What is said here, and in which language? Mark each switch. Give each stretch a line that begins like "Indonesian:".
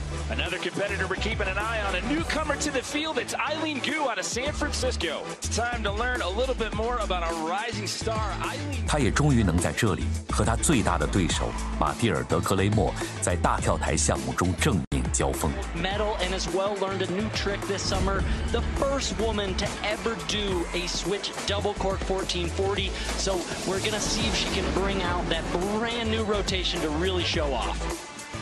English: Another competitor we're keeping an eye on, a newcomer to the field, it's Eileen Gu out of San Francisco. It's time to learn a little bit more about our rising star, Eileen.
Chinese: 她也终于能在这里和她最大的对手马蒂尔德格雷莫在大跳台项目中正面交锋。
English: Medal and has well learned a new trick this summer, the first woman to ever do a switch double cork 1440. So we're gonna see if she can bring out that brand new rotation to really show off.